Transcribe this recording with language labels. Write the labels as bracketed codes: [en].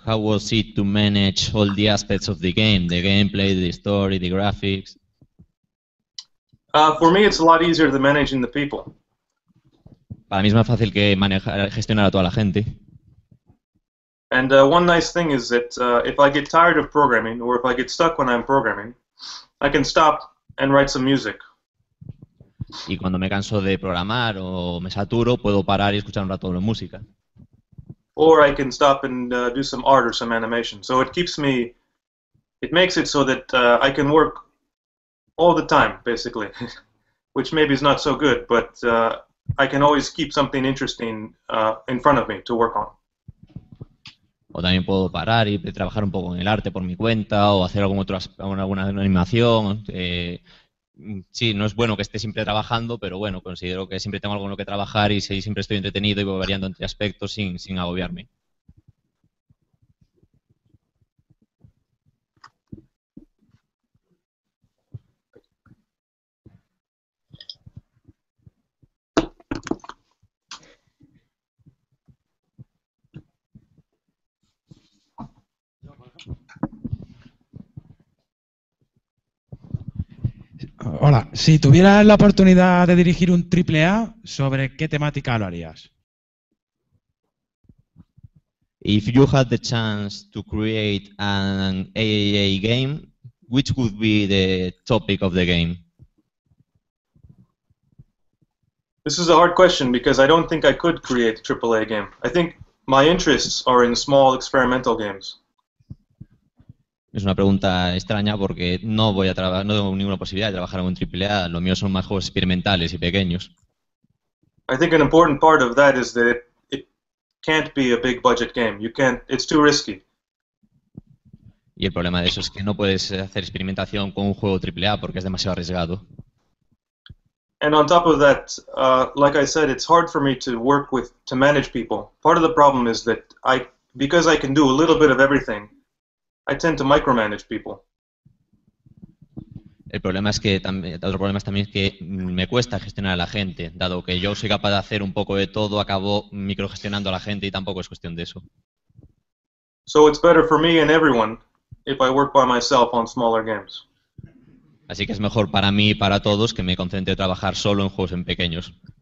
[en] How was it to manage all the aspects of the game, the gameplay, the story, the graphics? For me, it's a lot easier than managing the people. [es] Para mí es más fácil que gestionar a toda la gente. [en] And one nice thing is that if I get tired of programming or if I get stuck when I'm programming, I can stop and write some music. [es] Y cuando me canso de programar o me saturo, puedo parar y escuchar un rato de música. [en] Or I can stop and do some art or some animation. So it keeps me, it makes it so that I can work all the time, basically. Which maybe is not so good, but I can always keep something interesting in front of me to work on. [es] O también puedo parar y trabajar un poco en el arte por mi cuenta o hacer alguna animación. Sí, no es bueno que esté siempre trabajando, pero bueno, considero que siempre tengo algo en lo que trabajar y siempre estoy entretenido y voy variando entre aspectos sin agobiarme. Hola, si tuvieras la oportunidad de dirigir un AAA, ¿sobre qué temática lo harías? [en] If you had the chance to create an AAA game, which would be the topic of the game? This is a hard question because I don't think I could create a AAA game. I think my interests are in small experimental games. [es] Es una pregunta extraña porque no voy a no tengo ninguna posibilidad de trabajar en un AAA. Los míos son más juegos experimentales y pequeños. [en] I think an important part of that is that it can't be a big budget game. You can't, it's too risky. [es] Y el problema de eso es que no puedes hacer experimentación con un juego AAA porque es demasiado arriesgado. [en] And on top of that, like I said, it's hard for me to work with, to manage people. Part of the problem is that because I can do a little bit of everything, I tend to micromanage people. [es] El problema es que otro problema es también que me cuesta gestionar a la gente, dado que yo soy capaz de hacer un poco de todo, acabo microgestionando a la gente y tampoco es cuestión de eso. [en] So it's better for me and everyone if I work by myself on smaller games. [es] Así que es mejor para mí y para todos que me concentre en trabajar solo en juegos en pequeños.